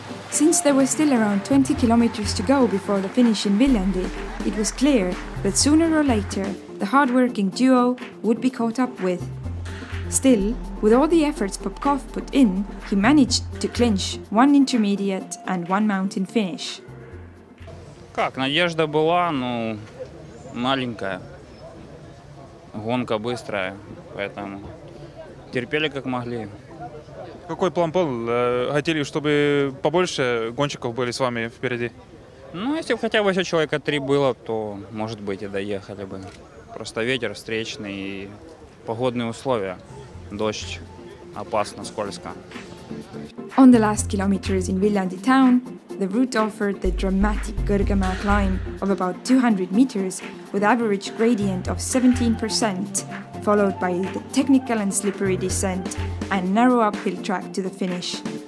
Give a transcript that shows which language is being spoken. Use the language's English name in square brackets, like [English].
[English] Since there was still around 20 kilometers to go before the finish in Viljandi, it was clear that sooner or later, the hard-working duo would be caught up with. Still, with all the efforts Popkov put in, he managed to clinch one intermediate and one mountain finish. [Russian] Как, надежда была, ну, маленькая. Гонка быстрая, поэтому терпели как могли. Какой план был? Хотели, чтобы побольше гонщиков были с вами впереди? Ну, если бы хотя бы еще человека три было, то, может быть, и доехали бы. Просто ветер встречный и погодные условия. Дождь, опасно, скользко. [English] On the last kilometers in Viljandi town, the route offered the dramatic Gurgama climb of about 200 meters with average gradient of 17%, followed by the technical and slippery descent and narrow uphill track to the finish.